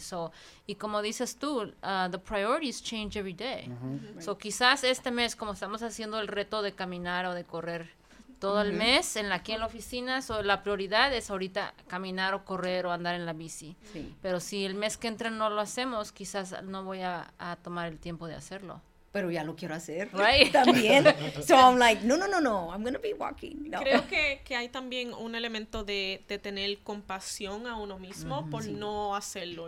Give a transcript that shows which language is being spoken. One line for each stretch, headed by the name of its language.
Spanish: So, y como dices tú,
English: the priorities change every day.
Spanish: So quizás este mes, como estamos haciendo el reto de caminar o de correr todo el mes en la, aquí en la oficina, so, la prioridad es ahorita caminar o correr o andar en la bici. Sí. Pero si el mes que entra no lo hacemos, quizás no voy a tomar el tiempo de hacerlo. Pero ya lo quiero hacer.
English: Right.
Spanish: También.
English: So I'm like, no, I'm going to be walking.
Spanish: No. Creo que hay también un elemento de tener compasión a uno mismo por no hacerlo.